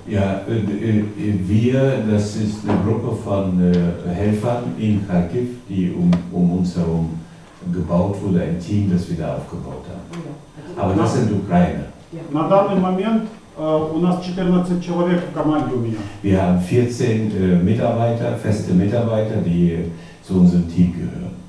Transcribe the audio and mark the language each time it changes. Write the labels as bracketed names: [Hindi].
[German] Ja, wir, das ist eine Gruppe von Helfern in Kharkiv, die um uns herum gebaut wurde, ein Team, das wir da aufgebaut haben. Aber das sind Ukrainer. [Russian] На данный момент у нас 14 человек в команде у меня. [German] Wir haben 14 Mitarbeiter, feste Mitarbeiter, die zu unserem Team gehören.